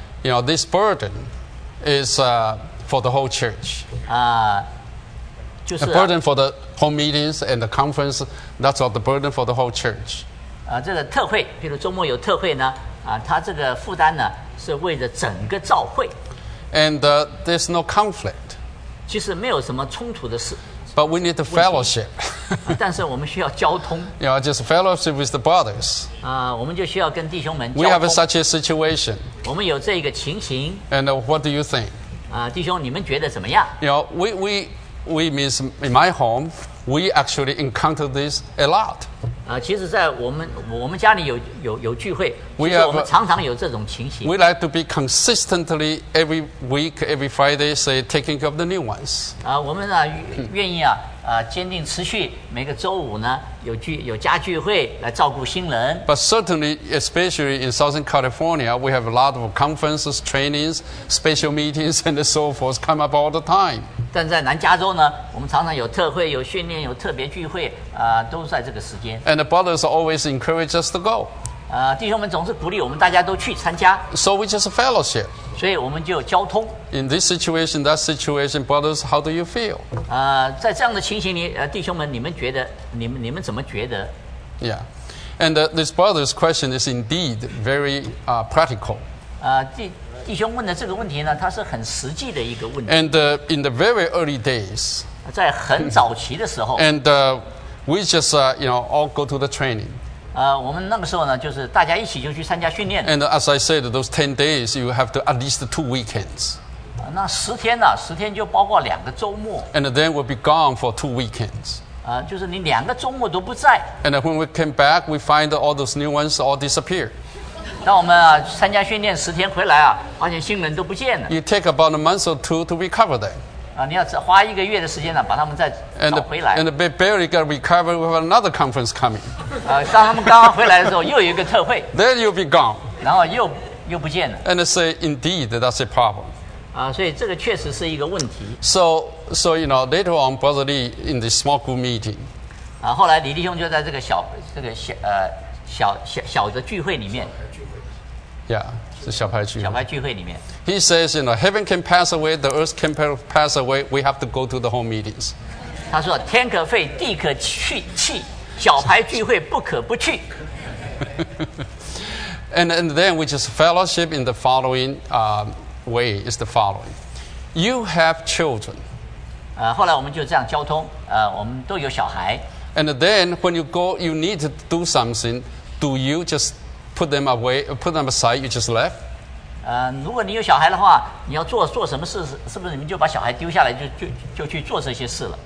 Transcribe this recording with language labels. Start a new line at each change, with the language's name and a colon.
English: you know, this burden is for the whole church. The burden for the home meetings and the conference, that's all the burden for the whole church.
Chinese: 这个特会，比如周末有特会呢，他这个负担呢，是为了整个召会。
English: And there's no conflict.
Chinese: 其实没有什么冲突的事。
English: But we need the fellowship.
Chinese: 但是我们需要交通。
English: You know, just fellowship with the brothers.
Chinese: 我们就需要跟弟兄们交
English: 通。We have such a situation.
Chinese: 我们有这个情形。
English: And what do you think?
Chinese: 弟兄，你们觉得怎么样？
English: You know, we means in my home, we actually encounter this a lot.
Chinese: 其实在我们家里有聚会，其实我们常常有这种情形。
English: We like to be consistently every week, every Friday, say, taking up the new ones.
Chinese: 我们呢愿意坚定持续每个周五呢有家聚会来照顾新人。
English: But certainly, especially in Southern California, we have a lot of conferences, trainings, special meetings, and so forth come up all the time.
Chinese: 但在南加州呢，我们常常有特会、有训练、有特别聚会，都在这个时间。
English: And the brothers always encourage us to go.
Chinese: 弟兄们总是鼓励我们大家都去参加。
English: So we just fellowship.
Chinese: 所以我们就交通。
English: In this situation, that situation, brothers, how do you feel?
Chinese: 在这样的情形里，弟兄们，你们怎么觉得
English: ？Yeah, and this brother's question is indeed very practical.
Chinese: 弟兄问的这个问题呢，它是很实际的一个问题。
English: And in the very early days,
Chinese: 在很早期的时候。
English: And we just you know, all go to the training.
Chinese: 我们那个时候呢，就是大家一起就去参加训练。
English: And as I said, those 10 days, you have to at least 2 weekends.
Chinese: 那十天呢、啊？十天就包括两个周末。
English: And then we'll be gone for 2 weekends.
Chinese: 就是你两个周末都不在。
English: And when we came back, we find all those new ones all disappear.
Chinese: 当我们参加训练十天回来发现新人都不见了。
English: You take about a month or two to recover them.
Chinese: 你要花一个月的时间呢，把他们再找回来。
English: And they barely got recovered with another conference coming.
Chinese: 当他们刚刚回来的时候，又有一个特会。
English: Then you'll be gone.
Chinese: 然后又不见了。
English: And say, indeed, that's a problem.
Chinese: 所以这个确实是一个问题。
English: So you know, later on, Brother Lee in the small group meeting.
Chinese: 后来李弟兄就在这个小的聚会里面。 Yeah, 是小牌聚会。小牌聚会里面。
English: He says, you know, heaven can pass away, the earth can pass away, we have to go to the home meetings.
Chinese: 他说天可废地可弃小牌聚会不可不去。
English: And then we just fellowship in the following way is the following. You have children.
Chinese: 后来我们就这样交通我们都有小孩。
English: And then when you go, you need to do something, do you just put them away, put them aside, you just left?
Chinese: 如果你有小孩的话，你要做什么事？是不是你们就把小孩丢下来就去做这些事了